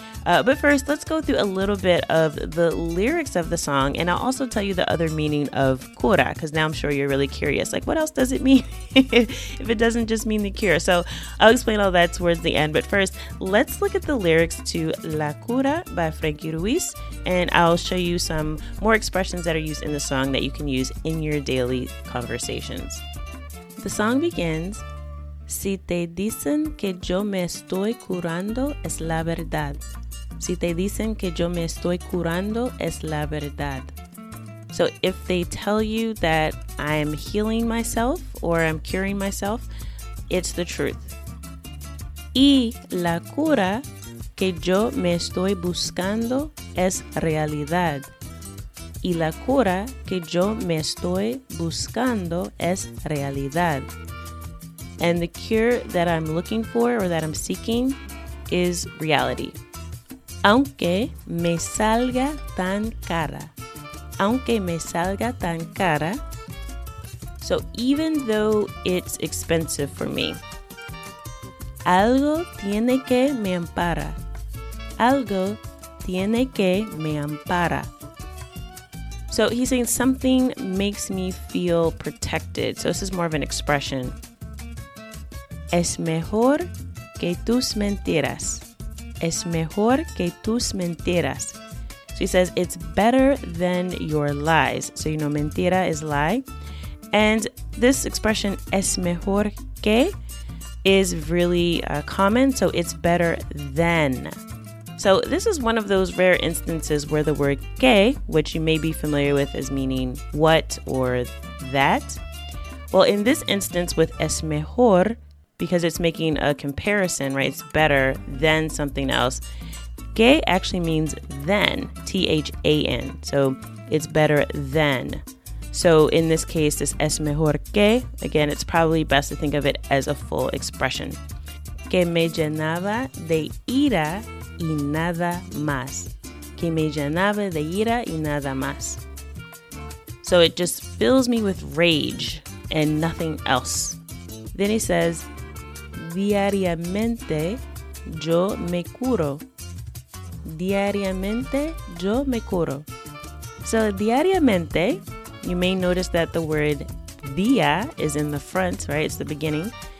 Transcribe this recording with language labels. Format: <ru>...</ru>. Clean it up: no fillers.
<en>But first, let's go through a little bit of the lyrics of the song, and I'll also tell you the other meaning of cura, because now I'm sure you're really curious, like, what else does it mean if it doesn't just mean the cure? So I'll explain all that towards the end, but first, let's look at the lyrics to La Cura by Frankie Ruiz, and I'll show you some more expressions that are used in the song that you can use in your daily conversations. The song begins,</en> <es>Si te dicen que yo me estoy curando, es la verdad. Si te dicen que yo me estoy curando, es la verdad.</es> <en>So if they tell you that I am healing myself or I'm curing myself, it's the truth.</en> <es>Y la cura que yo me estoy buscando es realidad. Y la cura que yo me estoy buscando es realidad.</es> <en>And the cure that I'm looking for or that I'm seeking is reality.</en> <es>Aunque me salga tan cara. Aunque me salga tan cara.</es> <en>So even though it's expensive for me.</en> <es>Algo tiene que me ampara. Algo tiene que me ampara.</es> <en>So he's saying something makes me feel protected. So this is more of an expression.</en> <es>Es mejor que tus mentiras. Es mejor que tus mentiras.</es> <en>So he says it's better than your lies. So you know mentira is lie. And this expression,</en> <es>es mejor que,</es> <en>is really common. So it's better than. So this is one of those rare instances where the word que, which you may be familiar with as meaning what or that. Well, in this instance with</en> <es>es mejor,</es> <en>because it's making a comparison, right? It's better than something else. Que actually means than, than. So it's better than. So in this case, this</en> <es>es mejor que,</es> <en>again, it's probably best to think of it as a full expression.</en> <es>Que me llenaba de ira y nada más. Que me llenaba de ira y nada más.</es> <en>So it just fills me with rage and nothing else. Then he says,</en> <es>diariamente yo me curo. Diariamente yo me curo.</es> <en>So diariamente, you may notice that the word dia is in the front, right? It's the beginning.</en>